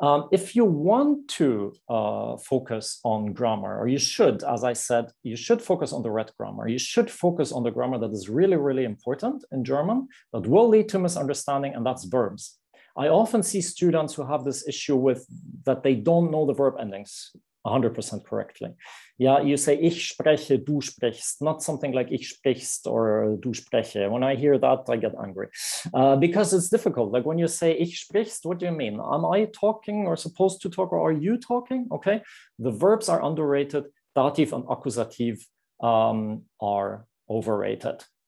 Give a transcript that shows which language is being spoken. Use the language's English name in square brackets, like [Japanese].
[English] If you want to focus on grammar, or you should, as I said, you should focus on the red grammar. You should focus on the grammar that is really, really important in German that will lead to misunderstanding, and that's verbs. I often see students who have this issue with that they don't know the verb endings 100% correctly. Yeah, you say [German] ich spreche, du sprichst, [English] not something like [German] ich sprichst [English] or [German] du spreche. [English] When I hear that, I get angry because it's difficult. Like when you say [German] ich sprichst, [English] what do you mean? Am I talking or supposed to talk, or are you talking? Okay, the verbs are underrated. Dativ and Akkusativ are overrated.